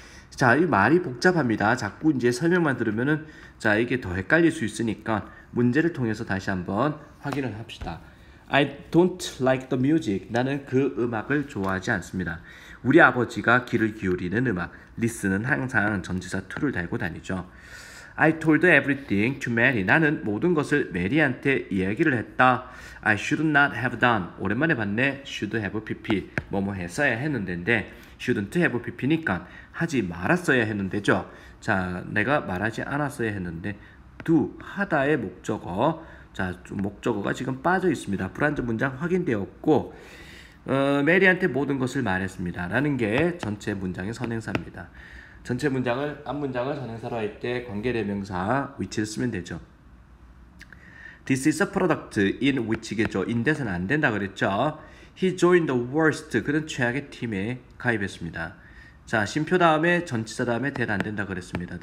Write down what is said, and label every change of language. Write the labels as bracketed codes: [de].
[ko] 자, 이 말이 복잡합니다. 자꾸 이제 설명만 들으면은 자 이게 더 헷갈릴 수 있으니까 문제를 통해서 다시 한번 확인을 합시다. [en] I don't like the music. [ko] 나는 그 음악을 좋아하지 않습니다. 우리 아버지가 귀를 기울이는 음악, 리스는 항상 전지사 to를 달고 다니죠. [en] I told everything to Mary. [ko] 나는 모든 것을 메리한테 이야기를 했다. [en] I should not have done. [ko] 오랜만에 봤네. [en] Should have PP. [ko] 뭐뭐 했어야 했는데인데 shouldn't have PP니까 하지 말았어야 했는데죠. 자, 내가 말하지 않았어야 했는데 do, 하다의 목적어. 자, 목적어가 지금 빠져 있습니다. 불완전 문장 확인되었고 메리한테 모든 것을 말했습니다. 라는 게 전체 문장의 선행사입니다. 전체 문장을 앞 문장을 선행사로 할 때 관계대명사 which를 쓰면 되죠. [en] This is a product in which겠죠. [ko] in that은 안 된다 그랬죠. [en] He joined the worst. [ko] 그는 최악의 팀에 가입했습니다. 자, 심표 다음에 전치사 다음에 that 안 된다 그랬습니다.